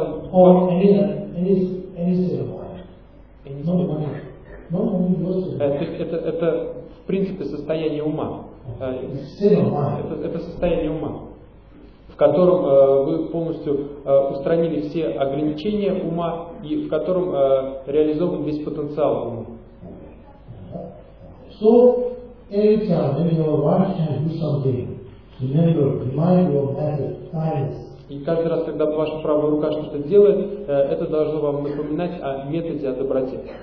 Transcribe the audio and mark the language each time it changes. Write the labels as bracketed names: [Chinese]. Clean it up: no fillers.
[Russian] Это в принципе состояние ума. Это состояние ума, в котором вы полностью устранили все ограничения ума и в котором реализован весь потенциал ума. [English] So, anytime when your wife can do something, remember, remind your method, kindness. [Russian] И каждый раз, когда ваша правая рука что-то делает, это должно вам напоминать о методе, о доброте.